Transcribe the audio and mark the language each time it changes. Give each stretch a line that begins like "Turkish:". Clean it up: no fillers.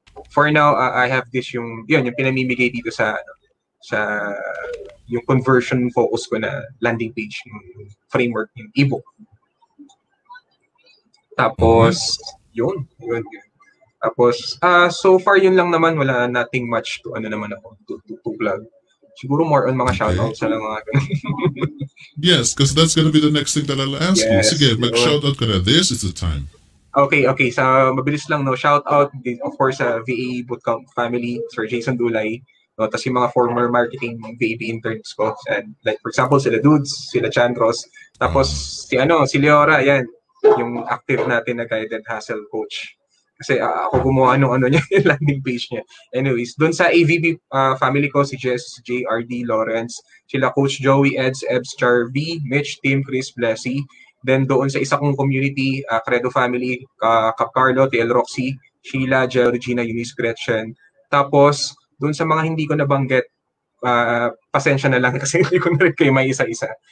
English: For now, I have this
Filipino: yung pinamimigay dito sa yung conversion focus ko na landing page framework ng ebook. Tapos, yun. Tapos, so far yun lang naman, wala nating much to ano naman ako,
English: to plug.
Filipino: Siguro more on mga shoutouts sa mga
English: yes, because that's gonna be the next thing that I'll ask you.
Filipino: Sige, mag-shoutout ka na.
English: This is the time.
Filipino: Okay. So, mabilis lang, no?
English: Shout out, of course,
Filipino: sa VA Bootcamp family, Sir Jason Dulay. No? Tapos yung mga former marketing VAB interns ko. And, like, for example, sila Dudes, sila Chandros. Tapos, si Leora, yan. Yung active natin na guided hustle coach. Kasi ako gumawa nung ano niya, yung landing page niya. Anyways, dun sa AVB family ko, si Jess, JRD, Lawrence. Sila Coach Joey, Eds, Ebs, Charvy, Mitch, Tim, Chris, Blessy. Then doon sa isa kong community, Credo Family, Kap Carlo, TL Roxy, Sheila, Jel, Regina, Eunice, Gretchen. Tapos, doon sa mga hindi ko nabanggit, pasensya na lang kasi hindi ko narin kayo may isa-isa.